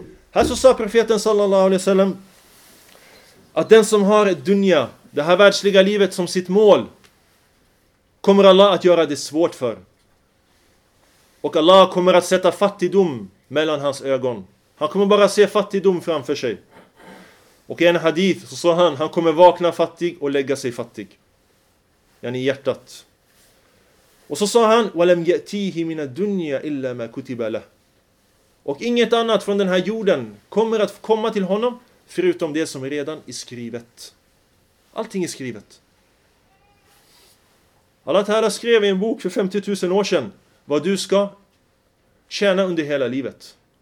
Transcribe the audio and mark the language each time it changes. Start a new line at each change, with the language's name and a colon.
Swedish: Här så sa profeten sallallahu alaihi wasallam att den som har dunya, det här världsliga livet, som sitt mål, kommer Allah att göra det svårt för. Och Allah kommer att sätta fattigdom mellan hans ögon. Han kommer bara se fattigdom framför sig. Och i en hadith så sa han kommer vakna fattig och lägga sig fattig. Yani i hjärtat. Och så sa han,
Arabic: وَلَمْ يَأْتِيهِ مِنَ الدُّنْيَا إِلَّا مَا كُتِبَ لَهُ.
Swedish: Och inget annat från den här jorden kommer att komma till honom förutom det som redan är skrivet. Allting är skrivet. Allah Ta'ala skrev i en bok för 50 000 år sedan vad du ska tjäna under hela livet.